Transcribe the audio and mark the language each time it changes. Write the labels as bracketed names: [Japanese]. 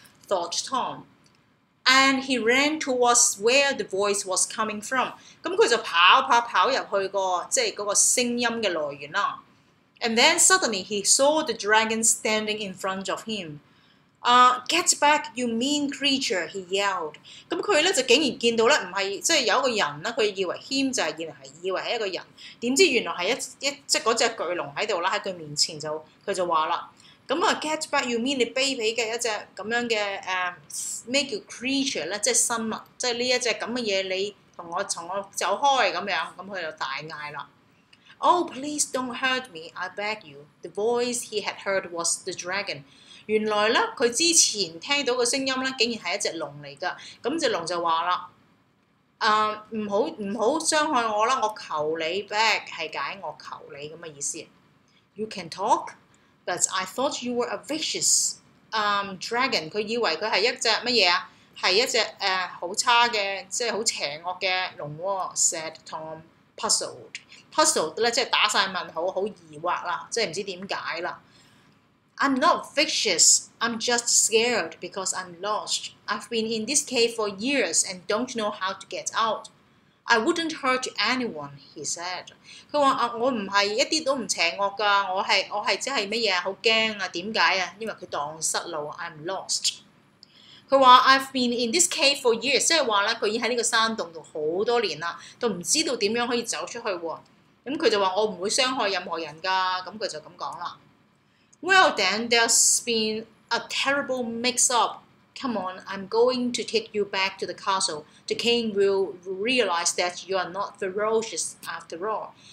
[English] Thought Tom, and he ran towards where the voice was coming from. [Cantonese] 咁佢就跑入去個即係嗰個聲音嘅來源啦。 [English] And then suddenly he saw the dragon standing in front of him. Get back, you mean creature, he yelled. [Cantonese] 咁佢咧就竟然見到咧，唔係即係有一個人啦，佢以為 him 就係原來係以為係一個人，點知原來係一即係嗰只巨龍喺度啦，喺佢面前就佢就話啦，咁啊 [English] get back, you mean [Cantonese] 你卑鄙嘅一隻咁樣嘅咩叫 creature 咧，即係生物，即係呢一隻咁嘅嘢，你同我從我走開咁樣，咁佢就大嗌啦。 [English] Oh, please don't hurt me, I beg you. The voice he had heard was the dragon. [Cantonese] 原來咧，佢之前聽到嘅聲音咧，竟然係一隻龍嚟噶。咁只龍就話啦：，唔好傷害我啦，我求你 back 係解我求你咁嘅意思。 [English] You can talk, but I thought you were a vicious dragon。 [Cantonese] 佢以為佢係一隻乜嘢啊？係一隻好差嘅，即係好邪惡嘅龍喎。 [English] Said Tom puzzled。 [Cantonese] Puzzled 咧，即係打曬問號，好疑惑啦，即係唔知點解啦。 [English] I'm not vicious. I'm just scared because I'm lost. I've been in this cave for years and don't know how to get out. I wouldn't hurt anyone, he said. [Cantonese] 佢話：啊，我唔係一啲都唔邪惡噶，我係即係乜嘢啊？好驚啊！點解啊？因為佢蕩失路 ， [English] I'm lost。 [Cantonese] 佢話 ： [English] I've been in this cave for years， [Cantonese] 即係話咧，佢已經喺呢個山洞度好多年啦，都唔知道點樣可以走出去喎。咁佢就話：我唔會傷害任何人噶。咁佢就咁講啦。 [English] Well then, there's been a terrible mix-up. Come on, I'm going to take you back to the castle. The king will realize that you are not ferocious after all.